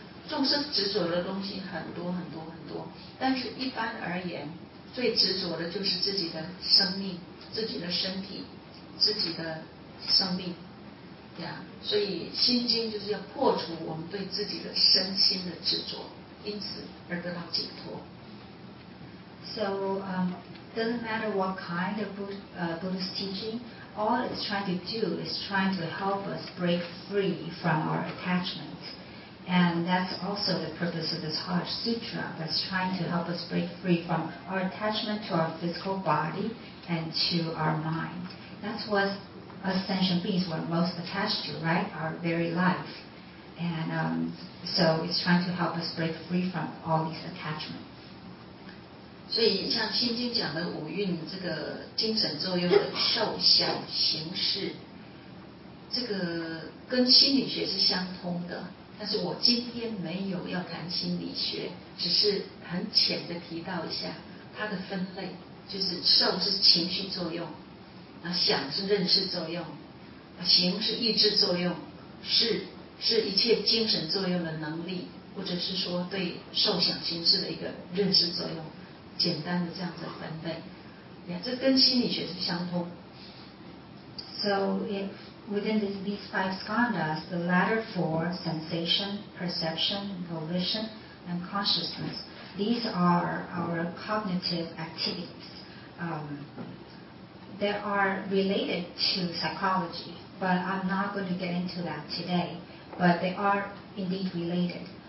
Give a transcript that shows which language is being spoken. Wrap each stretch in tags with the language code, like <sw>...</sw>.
<zh>众生执着的东西很多很多很多，但是一般而言，最执着的就是自己的生命、自己的身体、自己的生命，对呀。所以《心经》就是要破除我们对自己的身心的执着，因此而得到解脱。</zh> <en>So, doesn't matter what kind of Buddhist teaching, all it's trying to do is trying to help us break free from our attachments. And that's also the purpose of this Heart Sutra, that's trying to help us break free from our attachment to our physical body and to our mind. That's what us sentient beings were most attached to, right? Our very life. And so it's trying to help us break free from all these attachments.</en> <zh>所以像《心经》讲的五蕴这个精神作用的受想行识，这个跟心理学是相通的。但是我今天没有要谈心理学，只是很浅的提到一下它的分类，就是受是情绪作用，啊想是认识作用，啊行是意志作用，是一切精神作用的能力，或者是说对受想行识的一个认识作用，简单的这样子分类，呀这跟心理学是相通。</zh> <en>So if within these five skandhas, the latter four, sensation, perception, volition, and consciousness, these are our cognitive activities. They are related to psychology, but I'm not going to get into that today, but they are indeed related.</en>